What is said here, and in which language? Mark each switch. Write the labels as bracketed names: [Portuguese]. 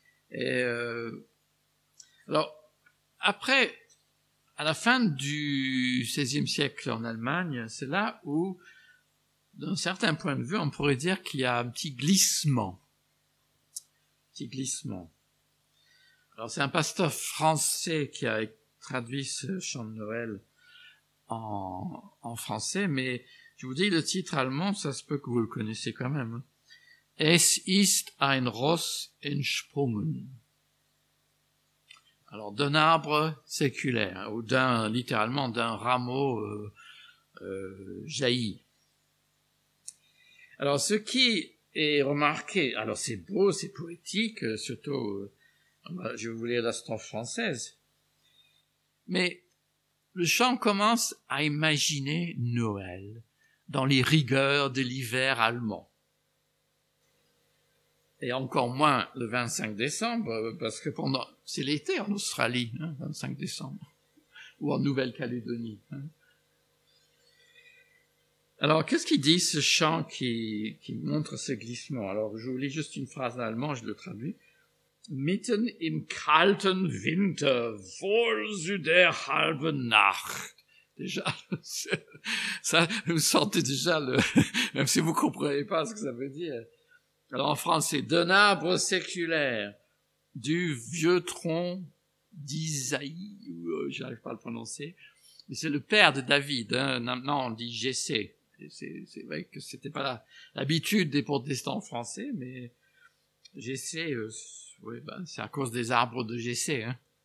[French] Et alors, après, à la fin du XVIe siècle en Allemagne, c'est là où, d'un certain point de vue, on pourrait dire qu'il y a un petit glissement. Petit glissement. Alors, c'est un pasteur français qui a traduit ce chant de Noël en français, mais je vous dis, le titre allemand, ça se peut que vous le connaissiez quand même. [German] Es ist ein Ross entsprungen. [French] Alors, d'un arbre séculaire, ou d'un, littéralement, d'un rameau jailli. Alors, ce qui est remarqué, alors c'est beau, c'est poétique, surtout, je voulais la strophe française, mais le chant commence à imaginer Noël dans les rigueurs de l'hiver allemand. Et encore moins le 25 décembre, parce que pendant, c'est l'été en Australie, hein, 25 décembre, ou en Nouvelle-Calédonie. Hein. Alors, qu'est-ce qu'il dit, ce chant qui montre ce glissement? Alors, je vous lis juste une phrase en allemand, je le traduis. [German] Mitten im kalten Winter, vor der halben Nacht. [French] Déjà, ça, vous sentez déjà même si vous comprenez pas ce que ça veut dire. Alors, en français, d'un arbre séculaire, du vieux tronc d'Isaïe, j'arrive pas à le prononcer, mais c'est le père de David, hein. Maintenant, on dit Jessé. C'est vrai que c'était pas l'habitude des protestants français, mais Jessé, oui, ben, c'est à cause des arbres de Jessé, hein.